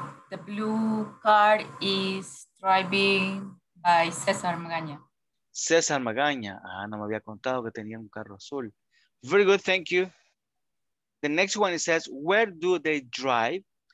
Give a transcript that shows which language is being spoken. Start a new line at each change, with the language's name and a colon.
English: The blue car is driving by César Magaña. César Magaña.
Spanish: Ah, no me había contado que tenía un carro azul.
English: Very good, thank you. The next one it says, where do they drive?